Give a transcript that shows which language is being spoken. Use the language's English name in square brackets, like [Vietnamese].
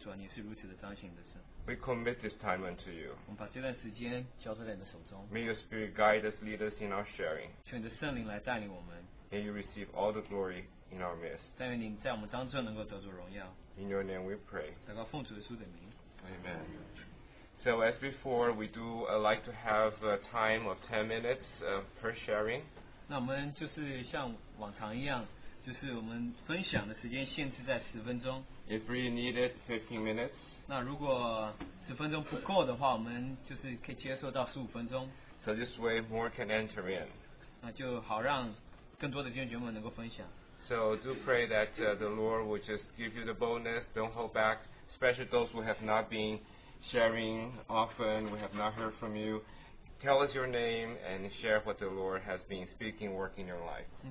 [Chinese] 主啊但愿你能够在我们身上彰显出来，就是借着我们生活的经历，主啊你是如此的彰显你的神。 [English] We commit this time unto you. [Chinese] 我们把这段时间交托在你的手中。 [English] May your spirit guide us, lead us in our sharing. [Chinese] 求你的圣灵来带领我们。 [English] May you receive all the glory in our midst. [Chinese] 但愿你在我们当中能够得着荣耀。 [English] In your name we pray. [Chinese] 祷告奉主耶稣的名。 [English] Amen. So as before, we do like to have a time of 10 minutes per sharing. [Chinese] 那我们就是像往常一样。就是我们分享的时间限制在10分钟。 [English] If we needed 15 minutes. [Chinese] 那如果10分钟不够的话, 我们就是可以接受到15分钟。 [English] So this way more can enter in. [Chinese] 那就好让更多的弟兄姐妹们能够分享。 [English] So do pray that the Lord will just give you the boldness. Don't hold back. Especially those who have not been sharing often, we have not heard from you. Tell us your name and share what the Lord has been speaking, working in your life.